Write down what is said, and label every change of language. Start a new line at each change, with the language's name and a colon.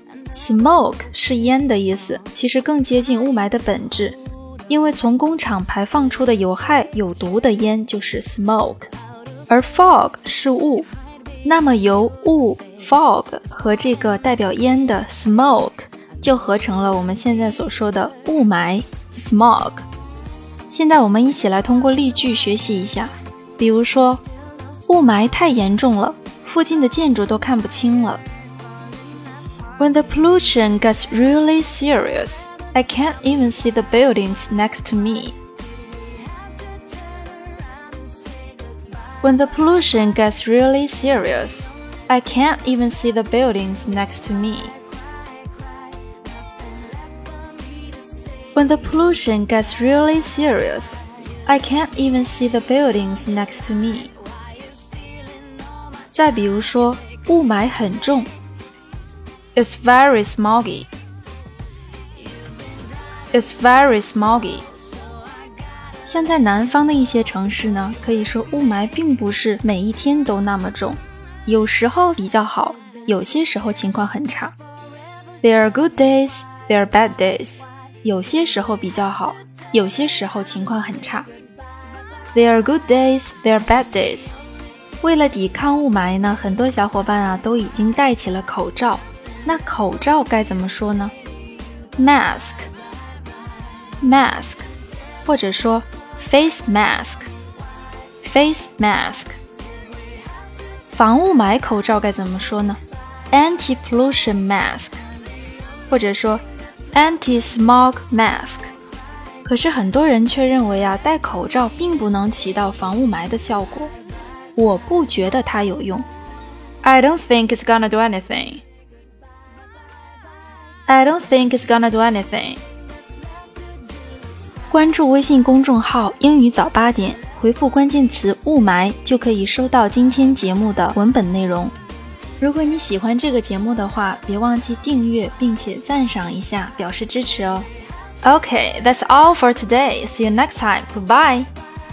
Chinese: smoke 是烟的意思，其实更接近雾霾的本质，因为从工厂排放出的有害有毒的烟就是 smoke， 而 fog 是雾，那么由雾 fog 和这个代表烟的 smoke 就合成了我们现在所说的雾霾Smog。现在我们一起来通过例句学习一下，比如说雾霾太严重了，附近的建筑都看不清了。
English: When the pollution gets really serious, I can't even see the buildings next to me. When the pollution gets really serious, I can't even see the buildings next to me. When the pollution gets really serious, I can't even see the buildings next to me.
Chinese: 再比如说，雾霾很重。
English: It's very smoggy. It's very smoggy.
Chinese: 像在南方的一些城市呢，可以说雾霾并不是每一天都那么重，有时候比较好，有些时候情况很差。
English: There are good days, there are bad days.
Chinese: 有些时候比较好，有些时候情况很差。
English: There are good days, there are bad days.
Chinese: 为了抵抗雾霾呢，很多小伙伴啊都已经戴起了口罩。那口罩该怎么说呢
English: ？Mask, mask,
Chinese: 或者说
English: face mask, face mask.
Chinese: 防雾霾口罩该怎么说呢
English: ？Anti-pollution mask,
Chinese: 或者说。
English: Anti-smog mask.
Chinese: 可是很多人却认为啊，戴口罩并不能起到防雾霾的效果。我不觉得它有用。
English: I don't think it's gonna do anything. I don't think it's gonna do anything.
Chinese: 关注微信公众号英语早八点，回复关键词雾霾就可以收到今天节目的文本内容。如果你喜欢这个节目的话，别忘记订阅并且赞赏一下，表示支持哦。
English: Okay, that's all for today. See you next time. Goodbye.